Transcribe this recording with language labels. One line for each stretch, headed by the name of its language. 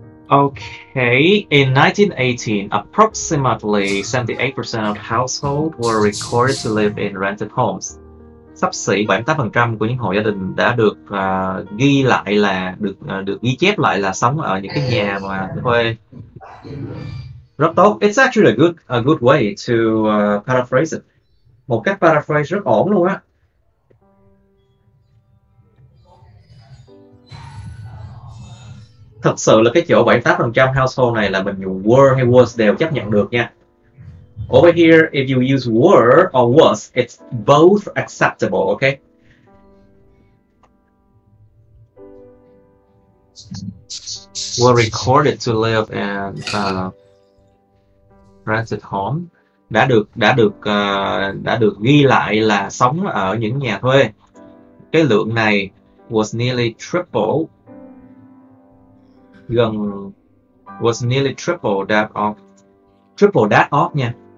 English: Okay, in 1918, approximately 78% of households were recorded to live in rented homes.
Vietnamese: Sắp xỉ 78% của những hộ gia đình đã được ghi lại là được ghi chép lại là sống ở những cái nhà mà thuê. Rất tốt.
English: It's actually a good way to paraphrase it.
Vietnamese: Một cách paraphrase rất ổn luôn á. Thật sự là cái chỗ 78% household này là mình dùng were hay was đều chấp nhận được nha.
English: Over here, if you use were or was, it's both acceptable, okay? Were recorded to live in a rented home.
Vietnamese: Đã được ghi lại là sống ở những nhà thuê. Cái lượng này
English: was nearly triple that of
Vietnamese: nha.